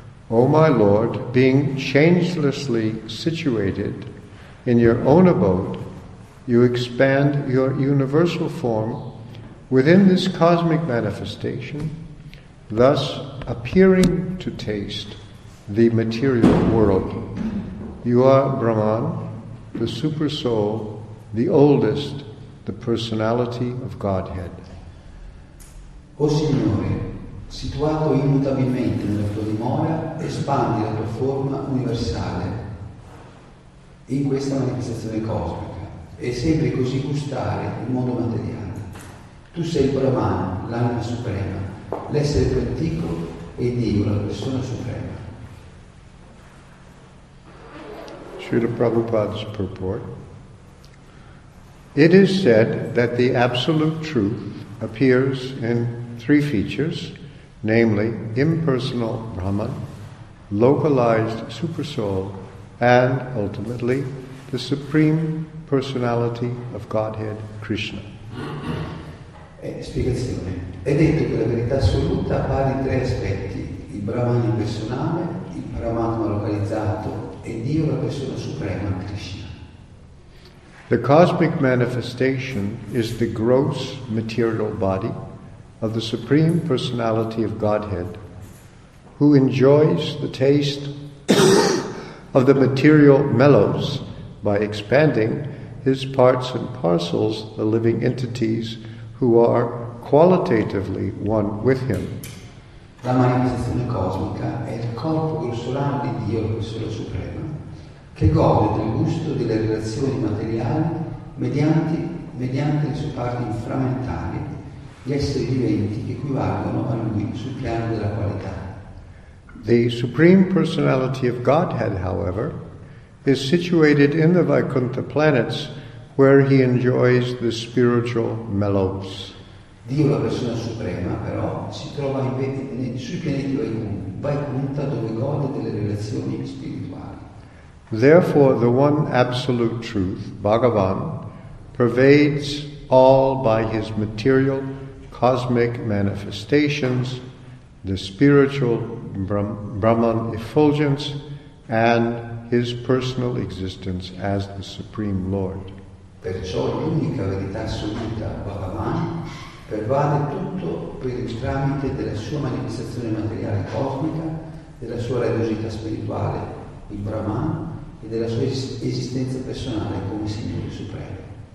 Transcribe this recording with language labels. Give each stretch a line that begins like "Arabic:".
English: O my Lord, being changelessly situated in your own abode, you expand your universal form within this cosmic manifestation, thus appearing to taste the material world. You are Brahman, the super soul, the oldest, the personality of Godhead.
Italian: O Signore, situato immutabilmente nella tua dimora, espandi la tua forma universale in questa manifestazione cosmica e sempre così gustare il mondo materiale. Tu sei Brahman, l'anima suprema, l'essere più antico e Dio, la persona suprema.
English: Srila Prabhupada's purport. It is said that the absolute truth appears in three features, namely impersonal Brahman, localized supersoul, and ultimately the supreme personality of Godhead, Krishna.
Italian: Spiegazione. È detto che la verità assoluta appare in tre aspetti, Brahman impersonale, il Paramatma localizzato e Dio la persona suprema, Krishna.
English: The cosmic manifestation is the gross material body of the Supreme Personality of Godhead, who enjoys the taste of the material mellows by expanding his parts and parcels, the living entities who are qualitatively one with him.
Italian: La manifestazione cosmica è il corpo grossolano di Dio, la persona suprema, che gode del gusto delle relazioni materiali mediante le sue parti inframmentali, gli esseri viventi che equivalgono a lui sul piano della qualità.
English: The Supreme Personality of Godhead, however, is situated in the Vaikuntha planets where he enjoys the spiritual mellows.
Italian: Dio, la persona suprema, però, si trova invece sui pianeti Vaikuntha dove gode delle relazioni spirituali.
English: Therefore, the one absolute truth, Bhagavan, pervades all by his material cosmic manifestations, the spiritual Brahman effulgence, and his personal existence as the Supreme Lord.
Italian: Perciò l'unica verità assoluta, Bhagavan, pervade tutto per il tramite della sua manifestazione materiale cosmica, della sua radiosità spirituale, il Brahman, e della sua esistenza personale come Signore Supremo.